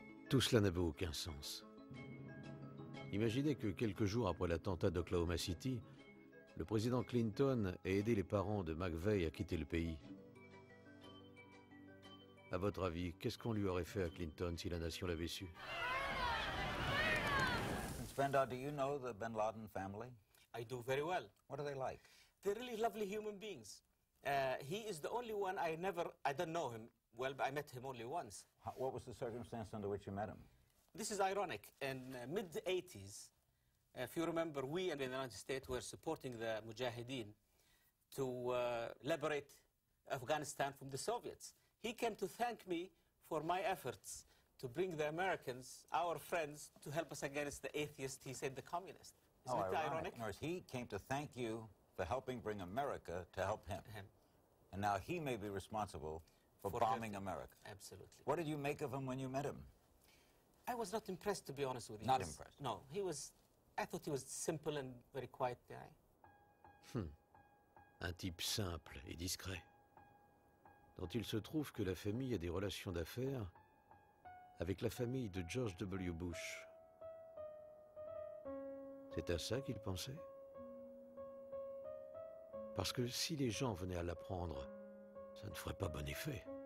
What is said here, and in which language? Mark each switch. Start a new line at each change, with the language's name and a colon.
French: Tout cela n'avait aucun sens. Imaginez que quelques jours après l'attentat d'Oklahoma City, le président Clinton ait aidé les parents de McVeigh à quitter le pays. À votre avis, qu'est-ce qu'on lui aurait fait à Clinton si la nation l'avait su?
English: Prince Bandar, do you know the Ben Laden family? I do very well. What are they like? They're really lovely human beings. He is the only one I don't know him. Well, I met him only once. What was the circumstance under which you met him? This is ironic. In mid-80s, if you remember, we in the United States were supporting the Mujahideen to liberate Afghanistan from the Soviets. He came to thank me for my efforts to bring the Americans, our friends, to help us against the atheist, he said, the communist. Isn't it ironic? In other words, he came to thank you for helping bring America to help him. And now he may be responsible for bombing America. Absolutely. What did you make of him when you met him? I was not impressed, to be honest with you. Not impressed? No, he was... I thought he was simple and very quiet guy.
French: Un type simple et discret. Dont il se trouve que la famille a des relations d'affaires avec la famille de George W. Bush. C'est à ça qu'il pensait? Parce que si les gens venaient à l'apprendre, ça ne ferait pas bon effet.